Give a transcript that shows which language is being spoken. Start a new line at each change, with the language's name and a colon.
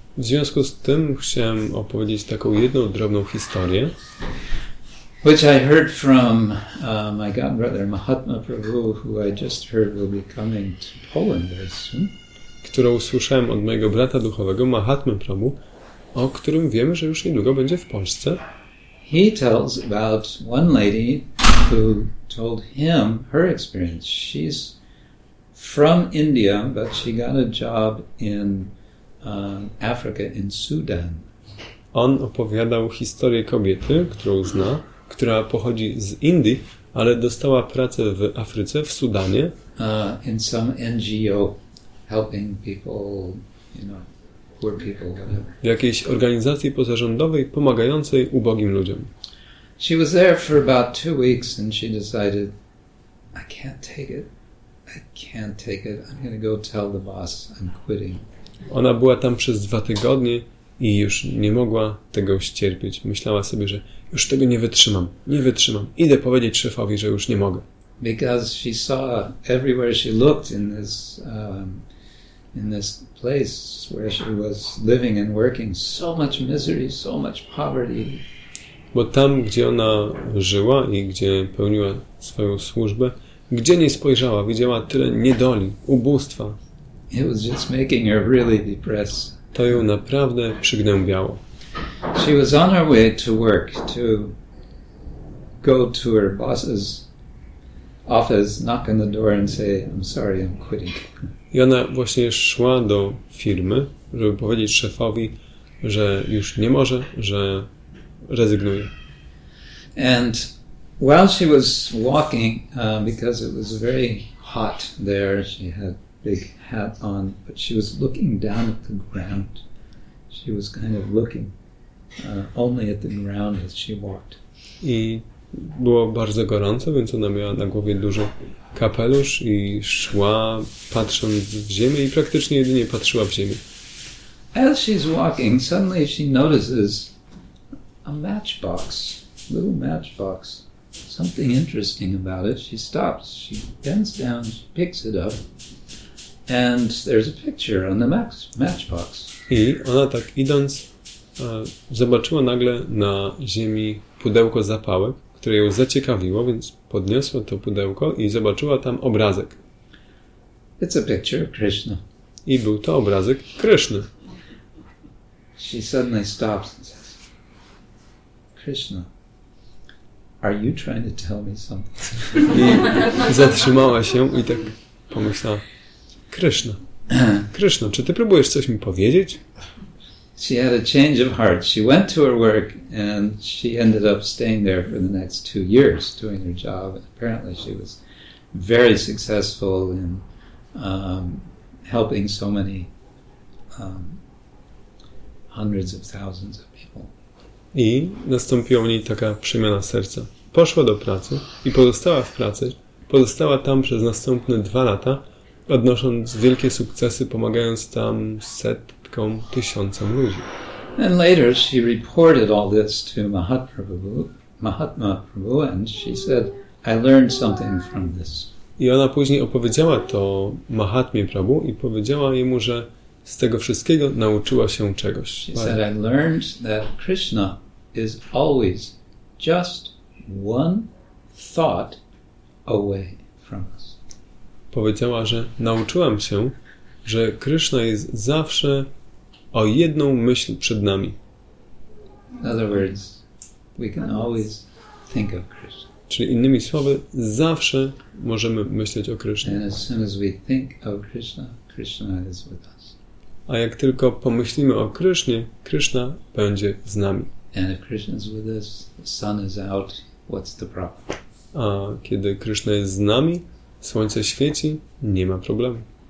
Polish: W związku z tym chciałem opowiedzieć taką jedną drobną historię,
English: which I heard from my god brother Mahatma Prabhu, who I just heard will be coming to Poland very soon.
Polish: Którą usłyszałem od mojego brata duchowego Mahatmy Prabhu, o którym wiemy, że już niedługo będzie w Polsce.
English: He tells about one lady who told him her experience. She's from India, but she got a job in Africa, in Sudan.
Polish: On opowiadał historię kobiety, którą zna, która pochodzi z Indii, ale dostała pracę w Afryce, w Sudanie.
English: In some NGO, helping people, you know, poor people.
Polish: W jakiejś organizacji pozarządowej pomagającej ubogim ludziom.
English: She was there for about 2 weeks and she decided, I can't take it. I can't take it. I'm going to go tell the boss I'm quitting.
Polish: Ona była tam przez 2 tygodnie i już nie mogła tego ścierpieć. Myślała sobie, że już tego nie wytrzymam. Nie wytrzymam. Idę powiedzieć szefowi, że już nie mogę.
English: Because she saw everywhere she looked in this place where she was living and working, so much misery, so much poverty.
Polish: Bo tam, gdzie ona żyła i gdzie pełniła swoją służbę, gdzie nie spojrzała, widziała tyle niedoli, ubóstwa.
English: It was just making her really depressed.
Polish: To ją naprawdę przygnębiało.
English: She was on her way to work to go to her boss's office, knock on the door and say, I'm sorry, I'm quitting.
Polish: I ona właśnie szła do firmy, żeby powiedzieć szefowi, że już nie może, że rezygnuje.
English: And while she was walking, because it was very hot there, she had big hat on, but she was looking down at the ground. She was kind of looking only at the ground as she walked.
Polish: I było bardzo gorąco, więc ona miała na głowie duży kapelusz i szła patrząc w ziemię i praktycznie jedynie patrzyła w ziemię.
English: As she's walking, suddenly she notices a matchbox, little matchbox, something interesting about it. She stops, she bends down, she picks it up, and there's a picture on the matchbox.
Polish: I ona tak idąc zobaczyła nagle na ziemi pudełko zapałek, które ją zaciekawiło, więc podniosła to pudełko i zobaczyła tam obrazek.
English: It's a picture of Krishna.
Polish: I był to obrazek Kryszny.
English: She suddenly stops and says, Krishna, Are you trying to tell me something?
Polish: I zatrzymała się i tak pomyślała. Krishna. Krishna, czy ty próbujesz coś mi powiedzieć?
English: She had a change of heart. She went to her work and she ended up staying there for the next 2 years doing her job. Apparently she was very successful in helping so many hundreds of thousands of people.
Polish: I nastąpiła u niej taka przemiana serca. Poszła do pracy i pozostała w pracy. Pozostała tam przez następne 2 lata, odnosząc wielkie sukcesy, pomagając tam setkom, tysiącom ludzi.
English: And later she reported all this to Mahatma Prabhu, and she said, I learned something from this.
Polish: I ona później opowiedziała to Mahatmie Prabhu i powiedziała jemu, że z tego wszystkiego nauczyła się czegoś.
English: She said, I learned that Krishna is always just one thought away from us.
Polish: Powiedziała, że nauczyłam się, że Krishna jest zawsze o jedną myśl przed nami.
English: In other words, we can always think of Krishna.
Polish: Czyli innymi słowy, zawsze możemy myśleć o Krishna.
English: And as soon as we think of Krishna, Krishna is with us.
Polish: A jak tylko pomyślimy o Krishnie, Krishna będzie z nami.
English: And if Krishna is with us, the sun is out, what's the problem?
Polish: A kiedy Krishna jest z nami, słońce świeci, nie ma problemu.